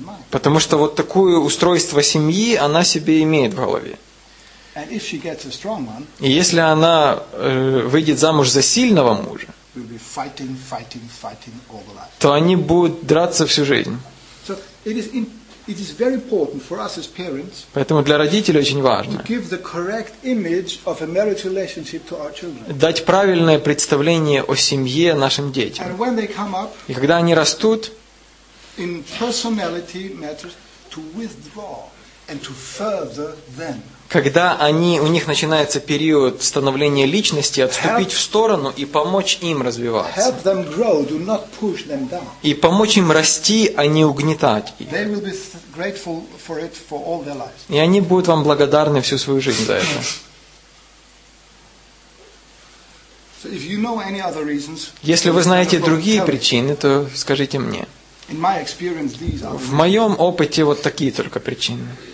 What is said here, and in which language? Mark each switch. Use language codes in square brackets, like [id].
[ru] Потому что вот такое устройство семьи она себе имеет в голове. [en] And if she gets a strong one, [ru] и если она выйдет замуж за сильного мужа, [en] we'll be fighting all the life. [ru] То они будут драться всю жизнь. [en] So it is very important for us as parents. [ru] Поэтому для родителей очень важно. [en] To give the correct image of a marriage relationship to our children. [ru] Дать правильное представление о семье нашим детям. [en] And when they come up, [ru] и когда они растут, [en] in personality matters to withdraw and to further them. [ru] Когда у них начинается период становления личности, отступить в сторону и помочь им развиваться. [en] Help them grow, do not push them down. [ru] И помочь им расти, а не угнетать их. [en] They will be grateful for it for all their lives. [ru] И они будут вам благодарны всю свою жизнь за это. [en] So if you know any other reasons, [ru] если вы знаете другие причины, то скажите мне. [en] In my experience, these are. [ru] В моем опыте вот такие только причины.